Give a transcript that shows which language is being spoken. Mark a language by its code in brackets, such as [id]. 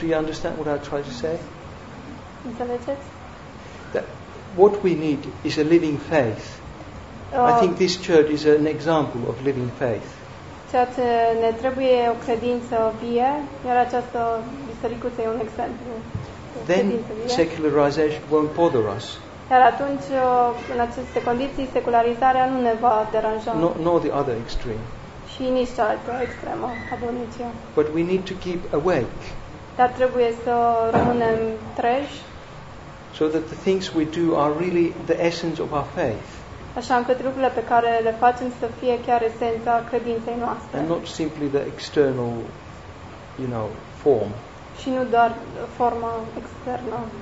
[en] Do you understand what I try to say? Intelligence? That what we need is a living faith. I think this church is an example of living faith. [ro] Ceea ce ne trebuie o credință vie, iar această bisericuță e un exemplu. [en] Then secularization won't bother us. [ro] Iar atunci, în aceste condiții, secularizarea nu ne va deranja. [en] Nor the other extreme. [ro] Și nici cealaltă extremă, abonicia. [en] But we need to keep awake. [ro] Dar trebuie să rămânem treji. [en] So that the things we do are really the essence of our faith. [ro] Așa încât lucrurile pe care le facem să fie chiar esența credinței noastre. [en] And not simply the external, you know, form. [ro] Și nu doar forma externă.